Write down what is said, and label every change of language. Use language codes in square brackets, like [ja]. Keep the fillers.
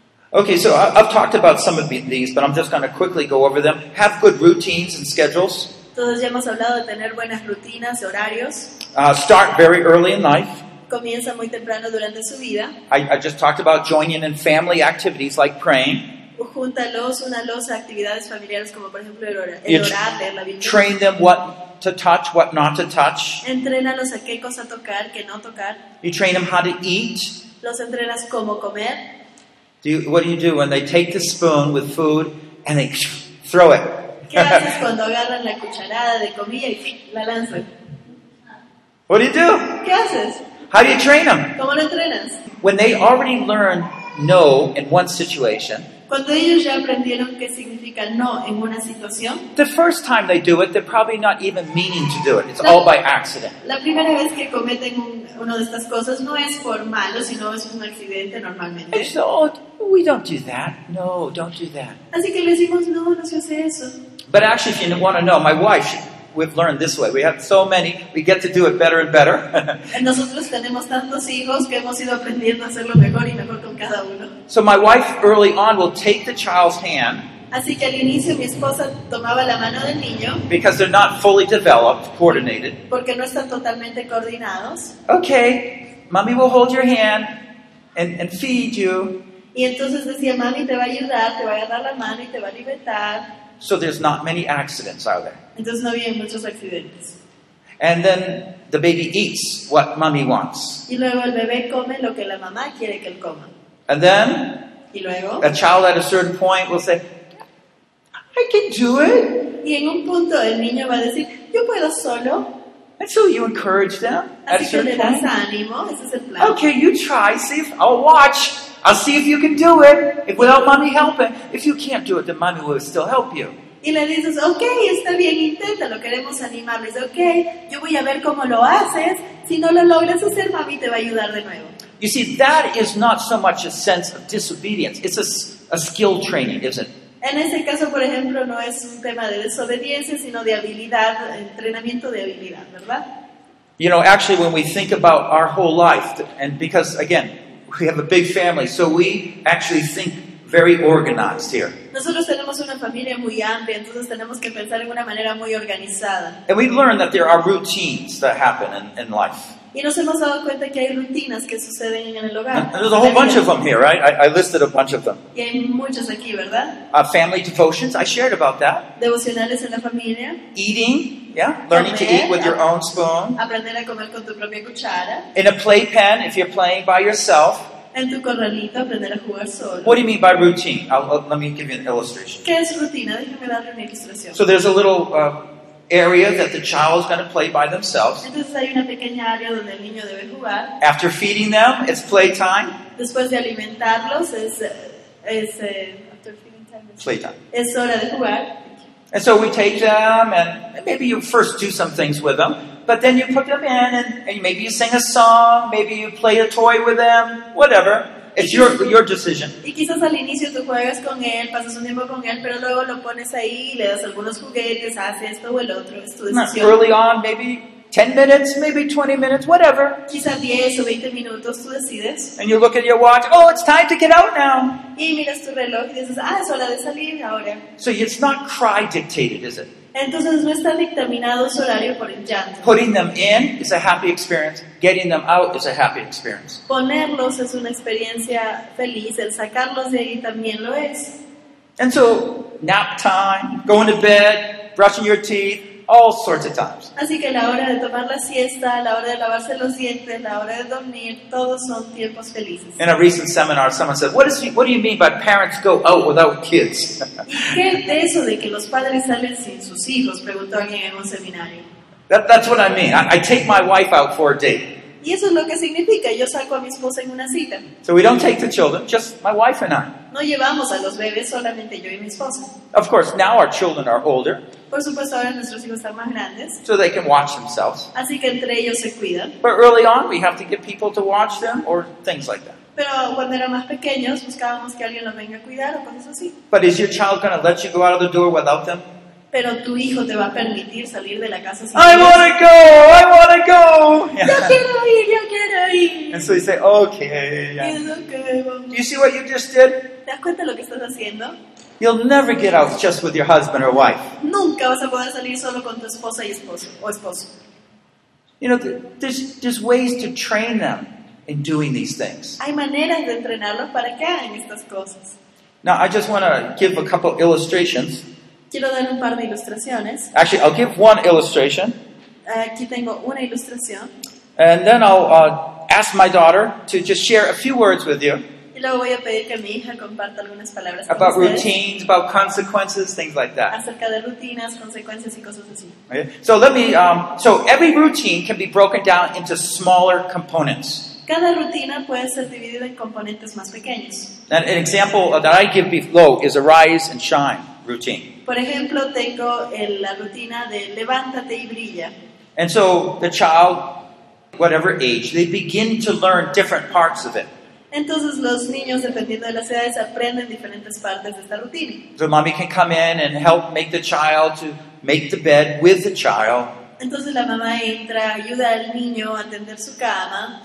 [en] Okay, so I- I've talked about some of these, but I'm just going to quickly go over them. Have good routines and schedules. [es] Todos ya hemos hablado de tener buenas rutinas, horarios. [en] Uh, start very early in life. [es] Comienza muy temprano durante su vida. [en] I, I just talked about joining in family activities like praying. [es] Júntalos, únalos a actividades familiares como por ejemplo el, hora- Y el tr- orar, leer la Biblia. [en] Train them what to touch, what not to touch. [es] Entrénalos a qué cosa tocar, qué no tocar. [en] You train them how to eat. [es] Los entrenas cómo comer. [en] Do you, what do you do when they take the spoon with food and they throw [es] ¿Qué haces [en] it? [es] cuando agarran la cucharada de comida y la lanzan? [en] what do you do? [es] ¿Qué haces? [en] How do you train them? [es] ¿Cómo lo entrenas? [en] When they already learn no in one situation, [es] Cuando ellos ya aprendieron qué significa no en una situación, [en] the first time they do it, they're probably not even meaning to do it. It's all by accident. [es] la primera vez que cometen un- una de estas cosas no es por malo, sino es un accidente [en] And [es] normalmente. [en] so, oh, we don't do that. No, don't do that. [es] Así que les decimos, no, no se hace eso. [en] But actually, if you want to know, my wife, she, we've learned this way. We have so many, we get to do it better and better. [es] Nosotros tenemos tantos hijos que hemos ido aprendiendo a hacerlo mejor y mejor con cada uno. [en] so my wife early on will take the child's hand [es] Así que al inicio mi esposa tomaba la mano del niño [en] because they're not fully developed, coordinated. [es] porque no están totalmente coordinados [en] Okay, mommy will hold your hand and, and feed you. [es] y entonces decía, mami te va a ayudar, te va a agarrar la mano y te va a libertar. [en] So there's not many accidents, are there? [es] Entonces no había muchos accidentes. [en] And then the baby eats what mommy wants. [es] Y luego el bebé come lo que la mamá quiere que él coma. [en] And then [es] Y luego, [en] a child at a certain point will say, I can do it. [es] y en un punto el niño va a decir, yo puedo solo, [en] And so you encourage them at a [es] así que le [en] certain [es] das [en] point. [es] ánimo, ese es el plan. [en] Okay, you try. See if I'll watch. I'll see if you can do it if, without mommy helping. If you can't do it, then mommy will still help you. [es] Y le dices, ok, está bien, inténtalo, queremos animarlo. Y dice, ok, yo voy a ver cómo lo haces. Si no lo logras hacer, mami te va a ayudar de nuevo. [en] You see, that is not so much a sense of disobedience. It's a, s- a skill training, isn't it? [es] En ese caso, por ejemplo, no es un tema de desobediencia, sino de habilidad, entrenamiento de habilidad, ¿verdad? [en] You know, actually, when we think about our whole life, th- and because, again, we have a big family, so we actually think very organized here. [es] Nosotros tenemos una familia muy amplia, entonces tenemos que pensar en una manera muy organizada. [en] And we learn that there are routines that happen in, in life. [es] Y nos hemos dado cuenta que hay rutinas que suceden en el hogar. [en] And there's a whole bunch of them here, right? I, I listed a bunch of them. [es] Y hay muchos aquí, ¿verdad? [en] Uh, family devotions, I shared about that. [es] Devocionales en la familia, [en] eating, yeah, learning to eat with your own spoon. [es] aprender a comer con tu propia cuchara. [en] In a playpen, if you're playing by yourself. [es] En tu corralito aprender a jugar solo. [en] What do you mean by routine? I'll, I'll- let me give you an illustration. [es] ¿Qué es rutina? Déjame darle una ilustración. [en] So there's a little uh, area that the child is going to play by themselves. [es] Entonces hay una pequeña área donde el niño debe jugar. [en] After feeding them, it's playtime. [es] Después de alimentarlos es, eh, es, eh, [en] after feeding time, [es] es- [en] Playtime. [es] es hora de jugar. [en] And so we take them, and maybe you first do some things with them, but then you put them in, and, and maybe you sing a song, maybe you play a toy with them, whatever. It's your your decision. [es] Y quizás al inicio tú juegas con él, pasas un tiempo con él, pero luego lo pones ahí y le das algunos juguetes, hace esto o el otro, es tu decisión. [en] Early on, maybe 10 minutes, maybe 20 minutes, whatever. [es] Quizás 10 o 20 minutos tú decides [en] And you look at your watch, oh, it's time to get out now. [es] y miras tu reloj y dices, ah, es hora de salir ahora. [en] So it's not cry dictated, is it? [es] Entonces no está dictaminado su horario por el llanto. [en] Putting them in is a happy experience, getting them out is a happy experience. [es] Ponerlos es una experiencia feliz, el sacarlos de ahí también lo es. [en] And so, nap time, going to bed, brushing your teeth, all sorts of times. [es] Así que la hora de tomar la siesta, la hora de lavarse los dientes, la hora de dormir, todos son tiempos felices. [en] In a recent seminar, someone said, what, is, what do you mean by parents go out without kids? [es] ¿Qué de eso de que los padres salen sin sus hijos? Preguntó alguien en un seminario. [en] that, that's what I mean. I, I take my wife out for a date. [es] Y eso es lo que significa, yo saco a mi esposa en una cita. [en] So we don't take the children, just my wife and I. [es] No llevamos a los bebés, solamente yo y mi esposa. [en] Of course, now our children are older, [es] Por supuesto, ahora nuestros hijos están más grandes, [en] so they can watch themselves. [es] así que entre ellos se cuidan. [en] But early on, we have to get people to watch them or things like that. [es] Pero cuando eran más pequeños, buscábamos que alguien los venga a cuidar o cosas así. [en] But is your child going to let you go out of the door without them? [es] Pero tu hijo te va a permitir salir de la casa sin [en] I [es] ellos. [en] want to go! I want to go! [es] Yo [en] Yeah. [es] quiero ir, yo quiero ir. [en] And so you say, okay. [es] Y [en] yeah. [es] es lo que vamos. [en] Do you see what you just did? [es] ¿Te das cuenta de lo que estás haciendo? [en] You'll never get out just with your husband or wife. [es] Nunca vas a poder salir solo con tu esposa y esposo o esposo. [en] You know, th- there's, there's ways to train them in doing these things. [es] Hay maneras de entrenarlos para que hagan estas cosas. [en] Now, I just want to give a couple illustrations. [es] Quiero dar un par de ilustraciones. [en] Actually, I'll give one illustration, [es] Aquí tengo una ilustración [en] and then I'll uh, ask my daughter to just share a few words with you [es] y luego voy a pedir que mi hija comparta algunas palabras con [en] about [es] ustedes [en] routines, about consequences, things like that. [es] acerca de rutinas, consecuencias y cosas así. [en] Okay? So let me. Um, so every routine can be broken down into smaller components. [es] Cada rutina puede ser dividida en componentes más pequeños. [en] And an example that I give below is a rise and shine routine. [es] Por ejemplo, tengo el- la rutina de levántate y brilla. [en] And so the child, whatever age, they begin to learn different parts of it. [es] Entonces los niños, dependiendo de las edades, aprenden diferentes partes de esta rutina. [en] The mommy can come in and help make the child to make the bed with the child. [es] Entonces la mamá entra, ayuda al niño a tender su cama